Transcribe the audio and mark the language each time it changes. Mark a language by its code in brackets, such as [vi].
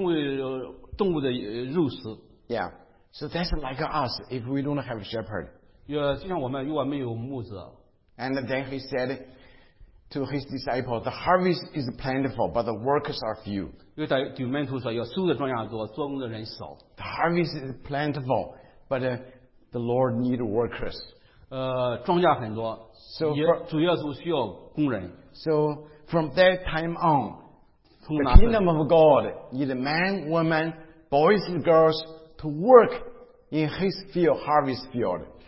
[zh] 他们就像成为动物的肉食。 [en] Yeah. So that's like us if we don't have a shepherd. [zh] 就像我们如果没有牧者。 [en] And then he said to his disciples, the harvest is plentiful, but the workers are few. [zh] 因为门徒说要收的庄稼多，做工的人少。 [en] The harvest is plentiful, but the Lord needs workers. [zh] 庄稼很多。 [en] So, from that time on, the kingdom of God needs men, women, boys and girls to work in his field, harvest field.